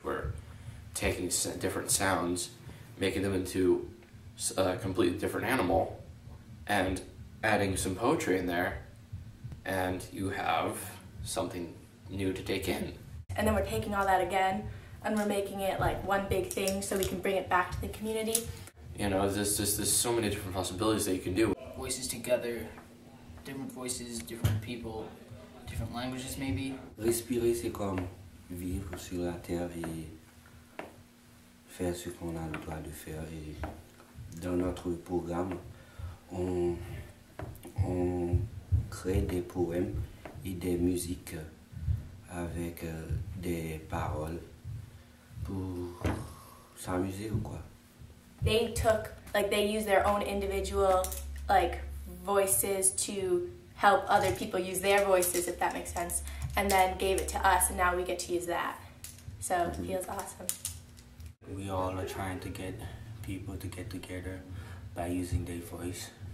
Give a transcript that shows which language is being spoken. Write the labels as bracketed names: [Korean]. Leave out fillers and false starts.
[English] We're taking different sounds, making them into a completely different animal, and adding some poetry in there, and you have something new to take in. And then we're taking all that again, and we're making it like one big thing so we can bring it back to the community. You know, there's so many different possibilities that you can do. Voices together, different voices, different people, different languages maybe. [French] Respirer, c'est comme vivre sur la terre et faire ce qu'on a le droit de faire. Et dans notre programme, on crée des poèmes et des musiques avec des paroles pour s'amuser ou quoi. [English] They took, like, they use their own individual, like, voices to help other people use their voices, if that makes sense, and then gave it to us, and now we get to use that. So it feels awesome. We all are trying to get people to get together by using their voice.